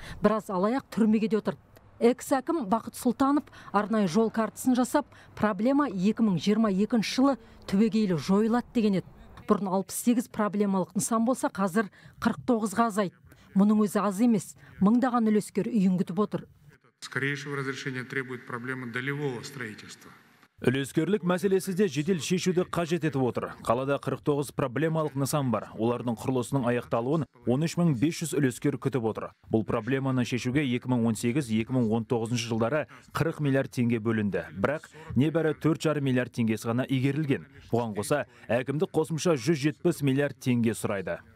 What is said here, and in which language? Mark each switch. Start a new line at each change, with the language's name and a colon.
Kazakh: Біраз алаяқ түрмеге де отырды. Экс-әкім Бақыт Сұлтанов арнайы жол картасын жасап, проблема 2022 жылы түбегейлі жойылады деген еді. Бұрын 68 проблемалық нысан болса, қазір 49-ға азайды. Мұның өзі аз емес, мыңдаған үлескер үйін күтіп отыр.
Russian: Скорейшего разрешения требует проблема долевого строительства.
Kazakh: Үлескерлік мәселесі де жедел шешуді қажет етіп отыр. Қалада 49 проблемалық нысан бар. Олардың құрылысының аяқталуын 13500 үлескер күтіп отыр. Бұл проблеманы шешуге 2018-2019 жылдары 40 миллиард теңге бөлінді. Бірақ небәрі 4,5 миллиард теңгесі ғана игерілген. Бұған қоса әкімдік қосымша 170 миллиард теңге сұрайды.